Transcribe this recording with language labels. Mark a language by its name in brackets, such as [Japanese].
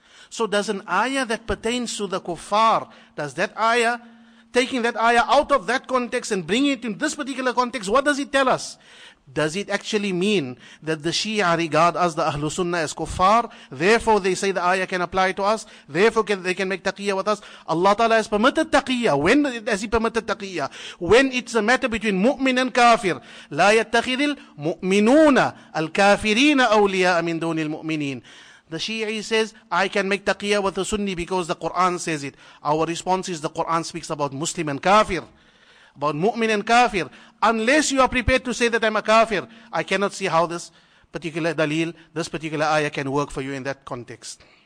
[English] So does an ayah that pertains to the kuffar, does that ayah, taking that ayah out of that context and bringing it in this particular context, what does it tell us? Does it actually mean that the Shia regard us, the Ahlul Sunnah, as kuffar? Therefore they say the ayah can apply to us. Therefore they can make taqiyya with us. Allah Ta'ala has permitted taqiyya. When has He permitted taqiyya? When it's a matter between mu'min and kafir. [Arabic] لا يتخذ المؤمنون الكافرين أولياء من دون المؤمنين. [English] The Shi'i says, I can make taqiyya with the Sunni because the Quran says it. Our response is the Quran speaks about Muslim and kafir, about mu'min and kafir. Unless you are prepared to say that I'm a kafir, I cannot see how this particular dalil, this particular ayah can work for you in that context.